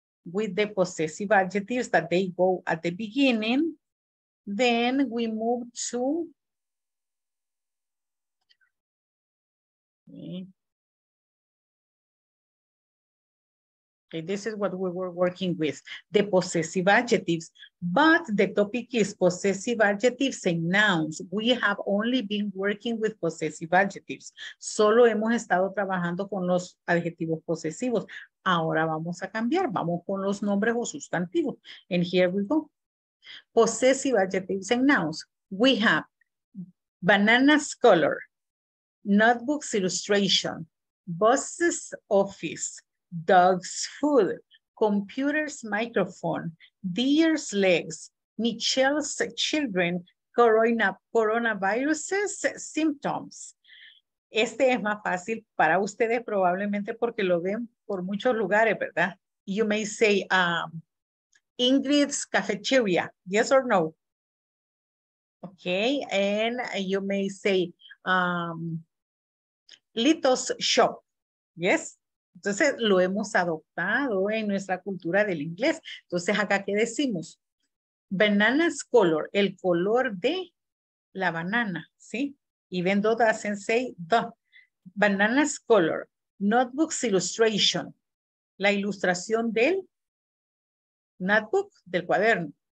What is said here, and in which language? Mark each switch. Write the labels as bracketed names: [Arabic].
[English] With the possessive adjectives that they go at the beginning, then we move to, okay, this is what we were working with, the possessive adjectives, but the topic is possessive adjectives and nouns. We have only been working with possessive adjectives. [Spanish] Solo hemos estado trabajando con los adjetivos posesivos. Ahora vamos a cambiar, vamos con los nombres o sustantivos. [English] And here we go. Possessive adjectives and nouns. We have bananas color, notebooks illustration, buses office, dogs food, computers microphone, deer's legs, Michelle's children, coronavirus symptoms. [Spanish] Este es más fácil para ustedes probablemente porque lo ven por muchos lugares, ¿verdad? [English] You may say, Ingrid's cafeteria, yes or no? Okay, and you may say, Lito's shop, yes? [Spanish] Entonces, lo hemos adoptado en nuestra cultura del inglés. Entonces, ¿acá qué decimos? [English] Banana's color, [Spanish] el color de la banana, ¿sí? [English] Even though doesn't say the. Banana's color, notebook's illustration, [Spanish] la ilustración del notebook, del cuaderno.